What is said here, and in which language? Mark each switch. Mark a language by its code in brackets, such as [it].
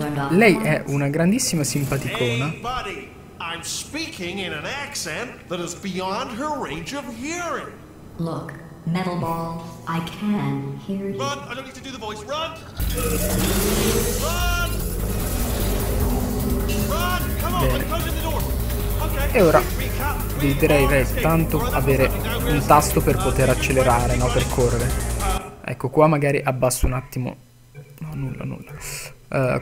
[it] Lei è una grandissima simpaticona. [en] Hey buddy, I'm speaking in an accent that is beyond her range of hearing. Look, metal ball, I can hear you. Run, I don't need to do the voice. Run! Run! Run! Come on, let's close the door. [it] E ora vi direi tanto avere un tasto per poter accelerare, no, per correre. Ecco qua magari abbasso un attimo. Nulla.